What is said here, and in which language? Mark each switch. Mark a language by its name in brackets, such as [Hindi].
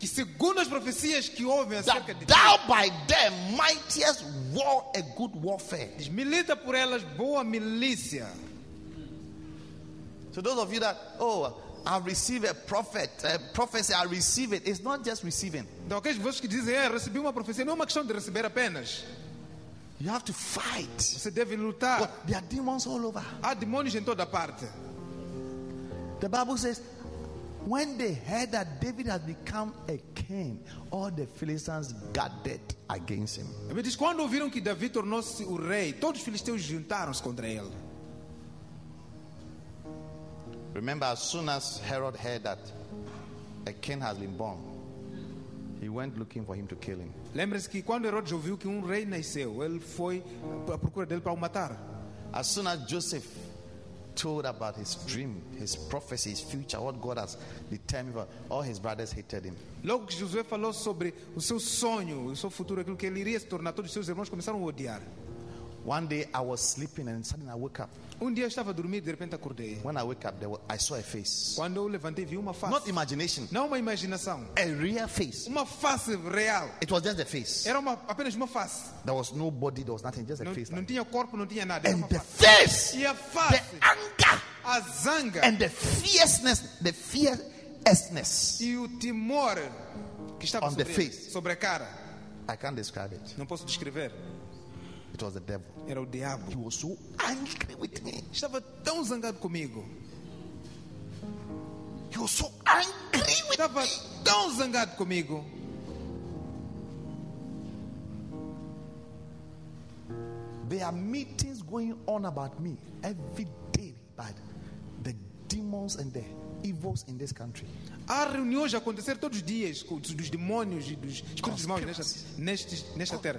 [Portuguese] Que segundo as profecias que houve acerca de [English] thou by them mightiest war a good warfare. [Portuguese] Milita por elas boa milícia. [English] So those of you that, oh, I've received a prophet, a prophecy, I receive it. It's not just receiving. [Portuguese] Então aqueles vós que dizem, recebi uma profecia, não é uma questão de receber apenas. [English] You have to fight. [Portuguese] Você deve lutar. [English] But there are demons all over. [Portuguese] Há demônios em toda parte. [English] The Bible says, when they heard that David had become a king, all the Philistines gathered against him. [Portuguese] Ele diz, quando ouviram que Davi tornou-se o rei, todos os filisteus juntaram-se contra ele. [English] Remember, as soon as Herod heard that a king has been born, he went looking for him to kill him. [Portuguese] Lembre-se que quando Herod ouviu que rei nasceu, ele foi à procura dele para o matar. [English] As soon as Joseph told about his dream, his prophecy, his future, what God has determined for, all his brothers hated him. [Portuguese] Logo que Josué falou sobre o seu sonho, o seu futuro, aquilo que ele iria se tornar, todos os seus irmãos começaram a odiar. [English] One day I was sleeping and suddenly I woke up. [Portuguese] Dia eu estava a dormir, de repente acordei. [English] When I woke up, I saw a face. [Portuguese] Quando eu levantei, vi uma face. [English] Not imagination. [Portuguese] Não uma imaginação. [English] A real face. [Portuguese] Uma face real. [English] It was just a face. [Portuguese] Era uma, apenas uma face. [English] There was no body, there was nothing, just [Portuguese] não, [English] a face. [Portuguese] Não tinha corpo, não tinha nada. [English] And the face. [Portuguese] E a face. [English] The anger. [Portuguese] A zanga. [English] And the fierceness, the fierceness. [Portuguese] E o timor que estava [English] on [Portuguese] sobre [English] the face. [Portuguese] Sobre a cara. [English] I can't describe it. [Portuguese] Não posso descrever. [English] It was the devil. [Portuguese] Era o diabo. [English] He was so angry with me. [Portuguese] Estava tão zangado comigo. [English] He was so angry with [Portuguese] estava [English] me. [Portuguese] Tão zangado comigo. [English] There are meetings going on about me every day by the demons and the evils in this country. [Portuguese] Há reuniões a acontecer todos os dias dos demônios e dos espíritos maus nesta terra.